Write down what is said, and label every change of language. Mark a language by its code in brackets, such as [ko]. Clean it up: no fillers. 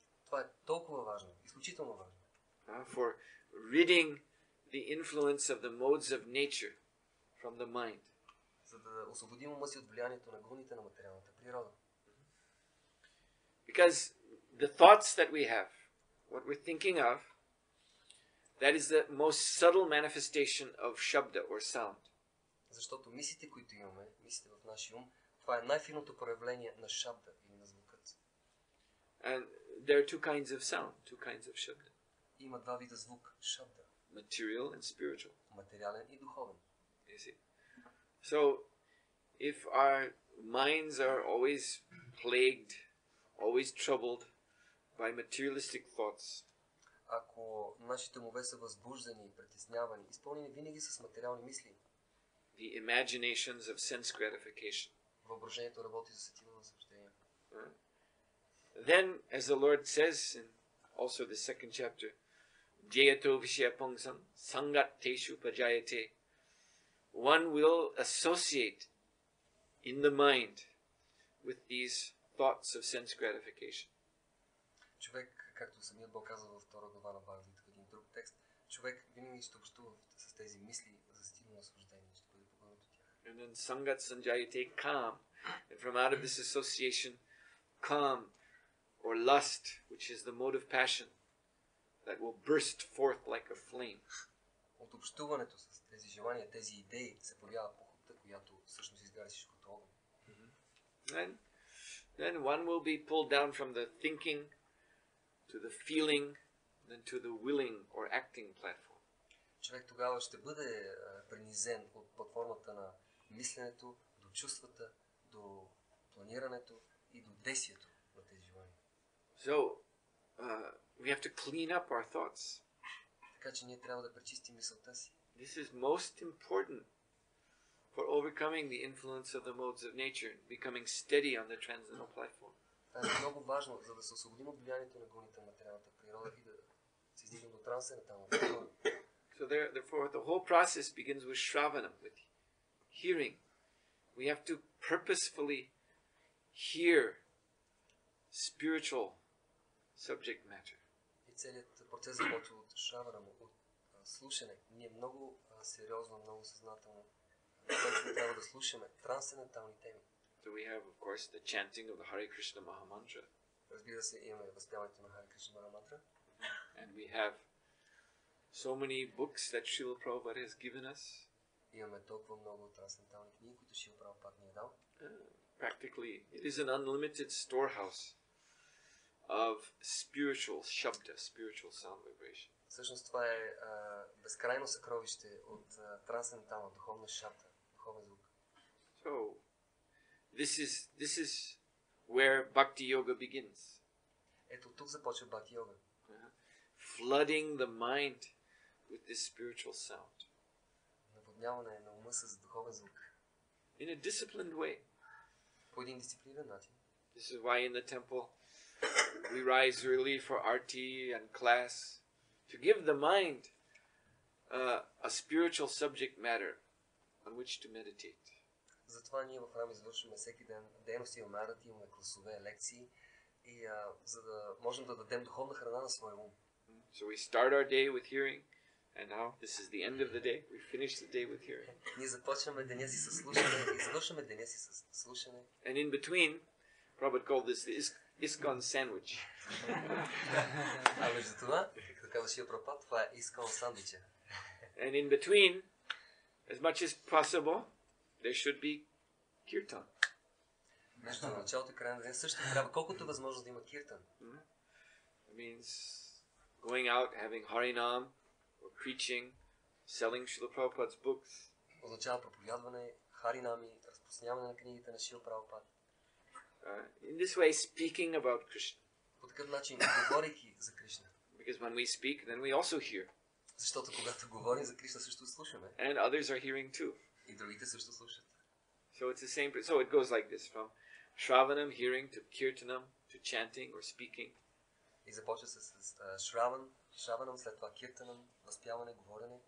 [bg] Това е толкова важно, изключително важно. [en] For ridding the influence of the modes of nature from the mind. [bg] За да освободим ума си от влиянието на гуните на материалната природа. [en] Because the thoughts that we have, what we're thinking of, that is the most subtle manifestation of shabda or sound. [bg] Защото мислите, които имаме, мислите в нашия ум, това е най-финото проявление на шабда. [en] And there are two kinds of sound, two kinds of shabda. [bg] Има два вида звук, шабда. [en] Material and spiritual. [bg] Материален и духовен. [en] You see? So, if our minds are always plagued, always troubled by materialistic thoughts, [bg] ако нашите умове са възбуждани, притеснявани, изпълнени винаги с материални мисли, [en] the imaginations of sense gratification, [bg] въображението работи за сетива възбуждение. [en] Then, as the Lord says in also the second chapter, [sa] Jayato Vishyapongsam Sangat Teshu Pajayate, [en] one will associate in the mind with these thoughts of sense gratification. [bg] Човек, както самият Бог казва във втора глава на Бхагавад Гита, един друг текст, човек винаги ще общува с тези мисли за стимул на освобождение, ще бъде погълнат от тях. [en] And then [sa] Sangat Sanjayate Kam, [en] and from out of this association, Kam, or lust, which is the mode of passion, that will burst forth like a flame. [bg] От общуването с тези желания, тези идеи, се появява похотта, която всъщност изгаря всичко от огън. [en] Then one will be pulled down from the thinking, to the feeling, then to the willing or acting platform. [bg] Човек тогава ще бъде принизен от платформата на мисленето, до чувствата, до планирането и до действието. [en] So, we have to clean up our thoughts. [bg] Така че ние трябва да пречистим мисълта си. [en] This is most important for overcoming the influence of the modes of nature and becoming steady on the transcendental platform. [bg] Това е много важно, за да се освободим от влиянието на гоните на материалната природа и да се издигнем до трансцендентална природа. [en] So therefore the whole process begins with shravanam, with hearing. We have to purposefully hear spiritual subject matter. [bg] И целият процес започва от шравана, от слушане. Ние много сериозно, много съзнателно трябва да слушаме трансцендентални теми. [en] So we have, of course, the chanting of the Hare Krishna Maha Mantra. [bg] Разбира се, имаме възпяването на Hare Krishna Maha Mantra. [en] And we have so many books that Srila Prabhupada has given us. [bg] Имаме толкова много трансцендентални книги, които Srila Prabhupada ни е дал. [en] Practically, it is an unlimited storehouse of spiritual shabda, spiritual sound vibration. [bg] Всъщност това е безкрайно съкровище от трансцендентална духовна шабда, духовен звук. [en] So, This is where bhakti yoga begins. [bg] Ето тук започва бхакти йога. [en] Flooding the mind with this spiritual sound. [bg] Наводняване на ума с духовен звук. [en] In a disciplined way. [bg] По един дисциплиниран начин. [en] This is why in the temple we rise early for arti and class to give the mind a spiritual subject matter on which to meditate. [bg] Затова ние в храм извършваме всеки ден дейности, имаме арати, имаме класове, лекции и за да можем да дадем духовна храна на своя ум. [en] So we start our day with hearing, and now this is the end of the day. We finish the day with hearing. [bg] Ние започваме деня си със слушане, извършваме деня си със слушане. [en] And in between, Prabhupada called this the ISKCON sandwich. [bg] А между това, какъв си Прабхупад, това е ISKCON sandwich. [en] And in between, as much as possible, there should be kirtan. [bg] Между началото и края на ден също трябва колкото възможно да има киртан. [en] It means going out, having harinam, or preaching, selling Srila Prabhupada's books. [bg] Означава проповядване, харинами, разпространяване на книгите на Шрила Прабхупад. [en] In this way, speaking about Krishna. [bg] По такъв начин, говорейки за Кришна. [en] Because when we speak, then we also hear. [bg] Защото когато говорим за Кришна, също слушаме. [en] And others are hearing too. [bg] И другите също слушат. [en] So it's the same. So it goes like this: from shravanam, hearing, to kirtanam, to chanting or speaking. [bg] И започва се с shravanam, след това kirtanam, възпяване, говорене.